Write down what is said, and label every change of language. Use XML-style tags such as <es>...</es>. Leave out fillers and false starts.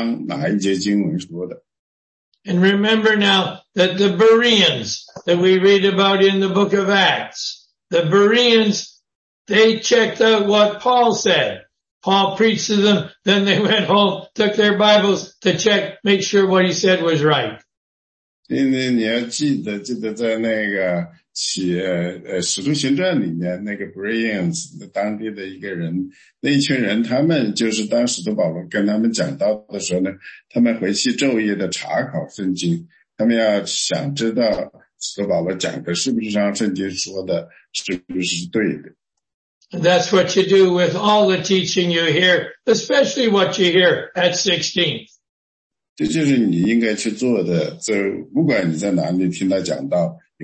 <zh>如果你说圣经上的话呢，我们会问你说是哪一章哪一节经文说的。</zh> <en>And remember now that the Bereans that we read about in the book of Acts, the Bereans, they checked out what Paul said. Paul preached to them, then they went home, took their Bibles to check, make sure what he said was right.</en> <zh>因为你要记得在那个 使徒行传里面那个Brians当地的一个人，那群人他们就是当使徒保罗跟他们讲道的时候呢，他们回去昼夜的查考圣经，他们要想知道使徒保罗讲的是不是像圣经说的，是不是对的。</zh> <en>That's what you do with all the teaching you hear, especially what you hear at 16.</en> <zh>这就是你应该去做的，就不管你在哪里听他讲道。</zh>